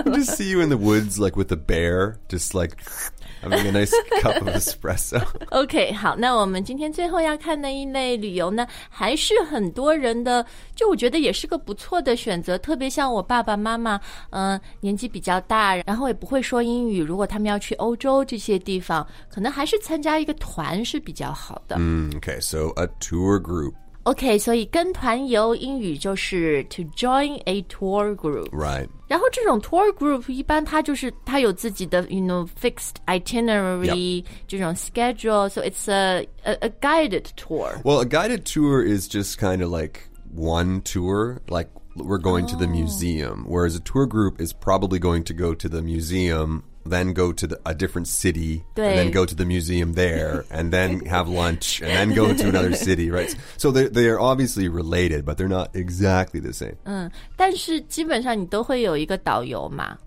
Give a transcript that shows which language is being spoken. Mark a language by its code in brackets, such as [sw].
[en] I just see you in the woods like with theBear, just like having a nice cup of espresso. [zh] Okay, 好，那我们今天最后要看的一类旅游呢，还是很多人的，就我觉得也是个不错的选择。特别像我爸爸妈妈，年纪比较大，然后也不会说英语。如果他们要去欧洲这些地方，可能还是参加一个团是比较好的。 [en] Okay, so a tour group. [zh] Okay, 所以跟团游英语就是 [en] to join a tour group. Right. [zh] 然后这种 tour group 一般它就是它有自己的 [en] you know, fixed itinerary、 yep. [zh] 这种 [en] schedule so it's a guided tour Well, a guided tour is just kind of like one tour like we're going、oh. to the museum whereas a tour group is probably going to go to the museum then go to a different city and then go to the museum there and then have lunch and then go to another city, right? So they are obviously related, but they're not exactly the same. [zh] 但是基本上你都会有一个导游嘛。